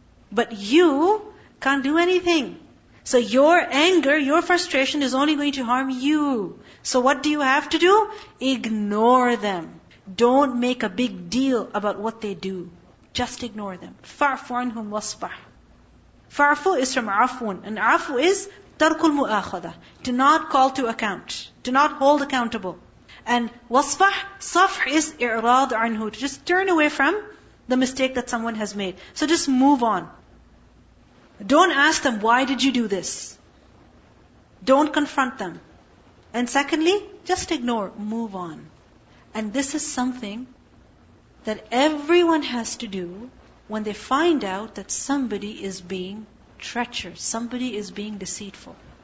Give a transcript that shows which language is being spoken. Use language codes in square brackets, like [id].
[en] But you can't do anything. So your anger, your frustration is only going to harm you. So what do you have to do? Ignore them. Don't make a big deal about what they do. Just ignore them. [ar] فَعْفُ عَنْهُمْ وَاصْفَحْ. فَعْفُ [en] is from [ar] عَفْوٌ. [en] And [ar] عَفْوُ is تَرْكُ الْمُؤَاخَذَةِ. [en] Do not call to account. Do not hold accountable. And [ar] وَاصْفَحْ, صَفْحْ [en] is [ar] إِعْرَاضُ عَنْهُ. [en] To just turn away from the mistake that someone has made. So just move on. Don't ask them, why did you do this? Don't confront them. And secondly, just ignore, move on. And this is something that everyone has to do when they find out that somebody is being treacherous, somebody is being deceitful.